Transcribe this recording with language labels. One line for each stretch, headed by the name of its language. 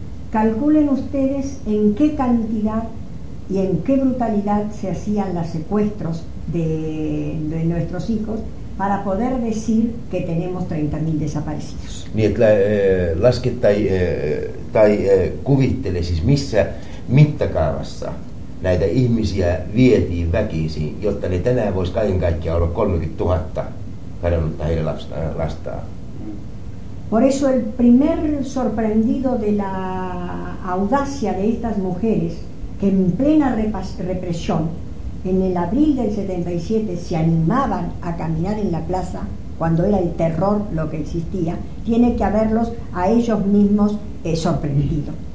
Spanish: Calculen ustedes en qué cantidad y en qué brutalidad se hacían los secuestros de nuestros hijos para poder decir que tenemos 30.000 desaparecidos.
Finnish: Niin, että laske tai kuvittele siis missä mittakaavassa näitä ihmisiä vietiin väkisin, jotta ne tänään voisi kaiken kaikkiaan olla 30 000 kadonnutta heidän lastaan.
Spanish: Por eso el primer sorprendido de la audacia de estas mujeres que en plena represión en el abril del 77 se animaban a caminar en la plaza cuando era el terror lo que existía, tiene que haberlos a ellos mismos sorprendido.